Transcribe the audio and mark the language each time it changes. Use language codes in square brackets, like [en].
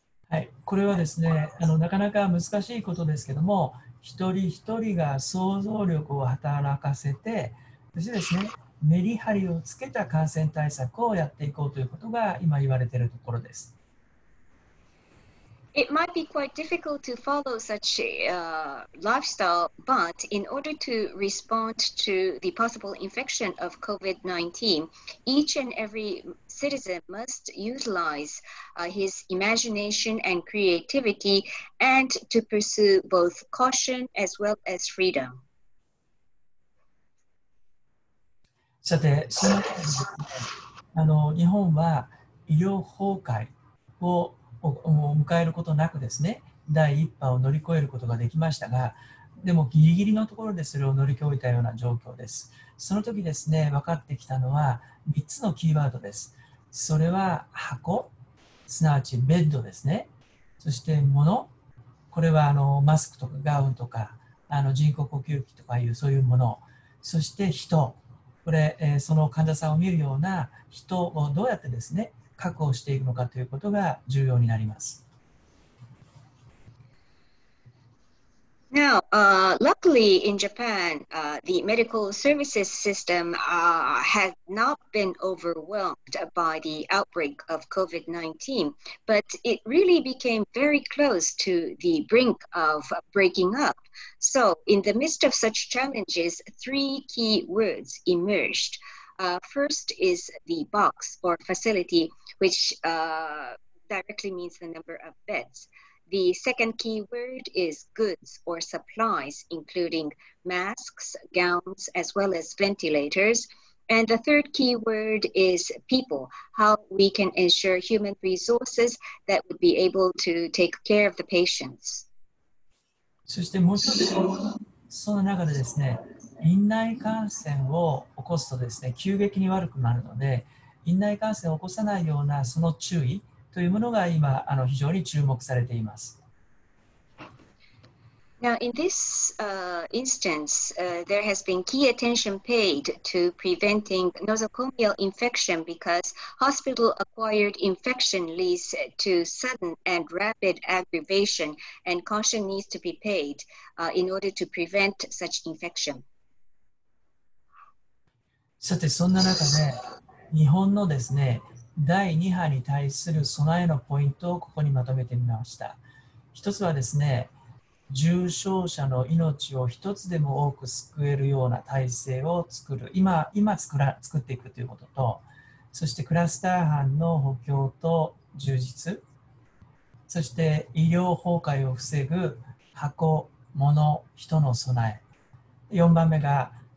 [ja] はい、これはですね、なかなか難しいことですけども、一人一人が想像力を働かせて、そしてですね、メリハリをつけた感染対策をやっていこうということが今言われているところです。 [en] It might be quite difficult to follow such lifestyle, but in order to respond to the possible infection of COVID-19, each and every citizen must utilize his imagination and creativity and to pursue both caution as well as freedom. [ja] さて、その中で、日本は医療崩壊を迎えることなくですね、第一波を乗り越えることができましたが、でもギリギリのところでそれを乗り越えたような状況です。その時ですね、分かってきたのは3つのキーワードです。それは箱、すなわちベッドですね。そして物、これはマスクとかガウンとか人工呼吸器とかいうそういうもの。そして人、これその患者さんを見るような人をどうやってですね、確保していくのかということが重要になります。 [en] Now, luckily in Japan, the medical services system has not been overwhelmed by the outbreak of COVID-19, but it really became very close to the brink of breaking up. So, in the midst of such challenges, three key words emerged. First is the box or facility, which directly means the number of beds. The second key word is goods or supplies, including masks, gowns, as well as ventilators. And the third key word is people, how we can ensure human resources that would be able to take care of the patients. [ja] そしてもう一つ、その中でですね、院内感染を起こすとですね、急激に悪くなるので、院内感染を起こさないようなその注意というものが今非常に注目されています。 [en] Now, in this instance, there has been key attention paid to preventing nosocomial infection because hospital acquired infection leads to sudden and rapid aggravation, and caution needs to be paid in order to prevent such infection. [ja] さて、そんな中で日本のですね、第2波に対する備えのポイントをここにまとめてみました。一つはですね、重症者の命を一つでも多く救えるような体制を作る、作っていくということと、そしてクラスター班の補強と充実、そして医療崩壊を防ぐ箱、物、人の備え、4番目が